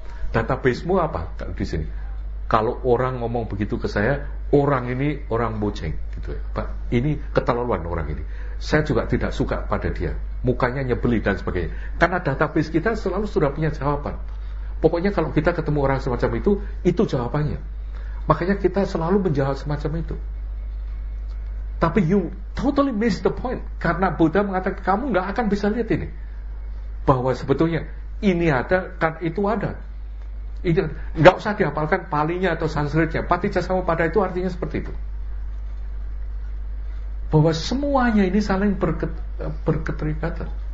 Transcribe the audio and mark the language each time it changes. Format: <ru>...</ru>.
<id>Database-mu apa di sini? Kalau orang ngomong begitu ke saya, orang ini orang boceng, gitu ya. Pak, ini keterlaluan orang ini. Saya juga tidak suka pada dia. Mukanya nyebeli dan sebagainya. Karena database kita selalu sudah punya jawaban. Pokoknya kalau kita ketemu orang semacam itu jawabannya. Makanya kita selalu menjawab semacam itu. Tapi</id> <en>you totally miss the point.</en> <id>Karena Buddha mengatakan kamu gak akan bisa lihat ini. Bahwa sebetulnya ini ada, kan itu ada. Ini, gak usah dihafalkan Palinya atau Sanskritnya. Paticcasamuppada itu artinya seperti itu. Bahwa semuanya ini saling berketerikatan.</id>